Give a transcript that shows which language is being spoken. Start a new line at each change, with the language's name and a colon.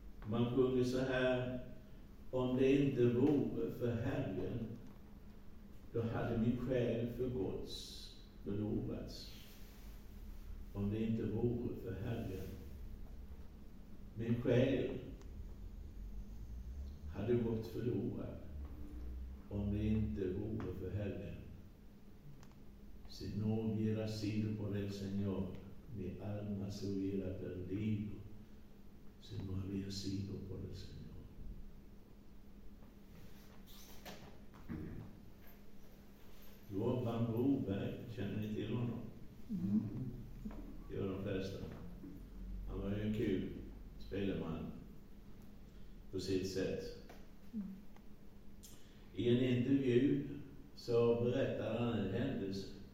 Swedish: Man sjunger så här: om det inte vore för Herren, då hade min själ förgåtts, förlorats. Om det inte vore för Herren, min själ hade gått förlorad. Om det inte vore för Herren,
Spanish: si no hubiera sido por el Señor, mi alma se hubiera perdido, si no había sido por el Señor.
Swedish: Johan Broberg, känner ni till honom? Det var de flesta. Han var ju en kul spelman på sitt sätt. I en intervju så berättade han en händelse.